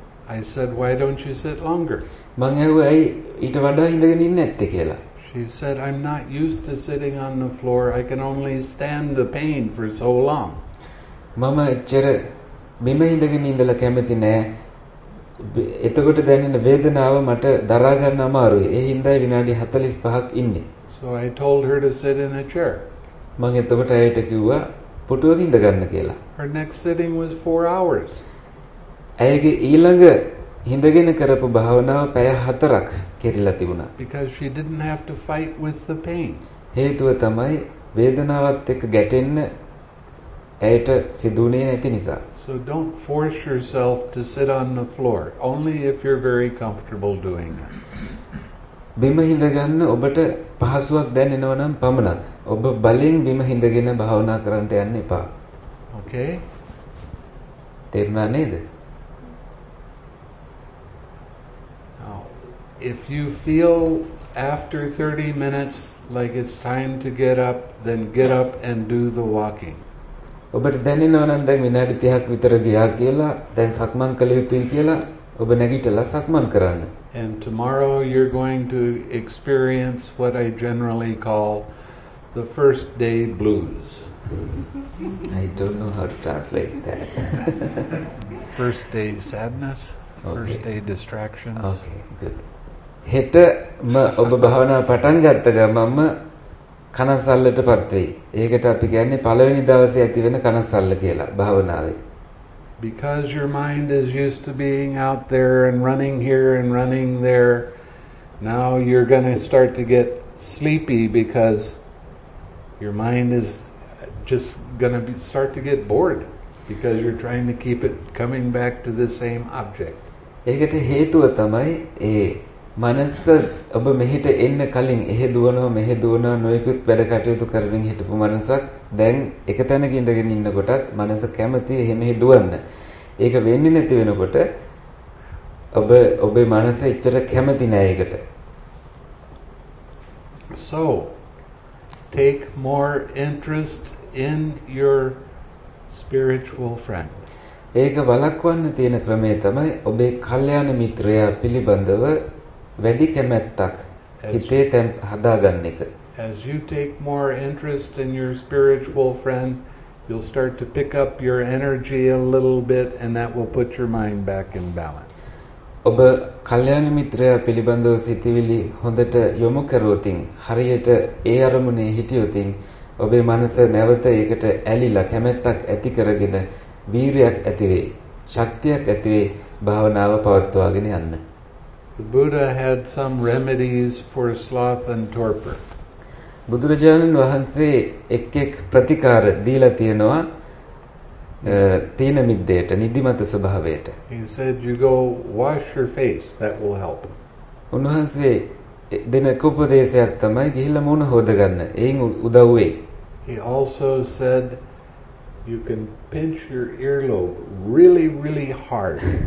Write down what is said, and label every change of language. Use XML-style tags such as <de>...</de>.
<en>I said why don't you sit longer?</en> <si>මං ඇහුවා ඇයි ඊට වඩා ඉඳගෙන ඉන්නේ නැත්තේ කියලා.</si> <en>She said I'm not used to sitting on the floor. I can only stand the pain for so long.</en> <si>මම එච්චර බිම ඉඳගෙන ඉඳලා කැමති නෑ. එතකොට දැනෙන වේදනාව මට දරා ගන්න අමාරුයි. ඒ හින්දා විනාඩි 45ක් ඉන්නේ.</si> <en>So I told her to sit in a chair.</en> <si>මං එතකොට ඇයට කිව්වා පුටුවක ඉඳ ගන්න කියලා.</si> <en>Her next sitting was 4 hours.</en> <si>ඇයගේ ඊළඟ ඉඳගෙන කරපු භාවනාව පැය 4ක් කෙරිලා තිබුණා.</si> <en>Because she didn't have to fight with the pain.</en> <si>හේතුව තමයි වේදනාවත් එක්ක ගැටෙන්න ඇයට සිදුුනේ නැති නිසා.</si> <en>So don't force yourself to sit on the floor only if you're very comfortable doing it.</en> <si>බිම හිඳගන්න ඔබට පහසුවක් දැනෙනව නම් පමණක් ඔබ බලෙන් බිම හිඳගෙන භාවනා කරන්න යන්න එපා.</si> <en>Okay.</en> <si>තේරුණා නේද?</si> <en>Now, if you feel after 30 minutes like it's time to get up, then get up and do the walking.</en> <si>ඔබට දැනෙනව නම් දැන් විනාඩි 30ක් විතර ගියා කියලා, දැන් සක්මන් කළ යුතුයි කියලා ඔබ නැගිටලා සක්මන් කරන්න.</si> <en>And tomorrow you're going to experience what I generally call the first day blues. I don't know how to translate that. First day sadness, okay. First day distractions. Okay, good.</en> <si>හෙට ම ඔබ භාවනා පටන් ගත්ත ගමන්ම කනස්සල්ලටපත් වෙයි. ඒකට අපි කියන්නේ පළවෙනි දවසේ ඇති වෙන කනස්සල්ල කියලා භාවනාවේ.</si> <en>Because your mind is used to being out there and running here and running there, now you're going to start to get sleepy because your mind is just going to start to get bored because you're trying to keep it coming back to the same object.</en> <si>ඒකට හේතුව තමයි ඒ මනස ඔබ මෙහෙට එන්න කලින් එහෙ දුවනවා මෙහෙ දුවනවා නොයෙකුත් වැඩ කටයුතු කරමින් හිටපු මනසක් දැන් එක තැනක ඉඳගෙන ඉන්නකොටත් මනස කැමති එහෙ මෙහෙ දුවන්න. ඒක වෙන්නේ නැති වෙනකොට ඔබ ඔබේ මනස ඇත්තට කැමති නෑ ඒකට.</si> <en>So take more interest in your spiritual friend.</en> <si>ඒක වළක්වන්න තියෙන ක්‍රමය තමයි ඔබේ කල්යාණ මිත්‍රයා පිළිබඳව වැඩි කැමැත්තක් හිතේ තැන් හදාගන්න එක.</si> <en>As you take more interest in your spiritual friend, you'll start to pick up your energy a little bit and that will put your mind back in balance.</en> <si>ඔබ කල්යාණ මිත්‍රයා පිළිබඳව සිතවිලි හොඳට යොමු කරවතින් හරියට ඒ අරමුණේ හිටියොතින් ඔබේ මනස නැවත ඒකට ඇලිලා කැමැත්තක් ඇති කරගෙන වීරයක් ඇතිවේ ශක්තියක් ඇතිවේ භාවනාව පවත්වාගෙන යන්න.</si> <en>The Buddha had some remedies for sloth and torpor.</en> <si>බුදුරජාණන් වහන්සේ එක් එක් ප්‍රතිකාර දීලා තියෙනවා තීන මිද්දේට නිදිමත ස්වභාවයට.</si> <en>He said you go wash your face, that will help.</en> <si>උන්වහන්සේ දෙන උපදේශයක් තමයි ගිහිල්ලා මුණ හොදගන්න. එයින් උදව් වෙයි.</si> <en>He also said you can pinch your earlobe really really hard.</en>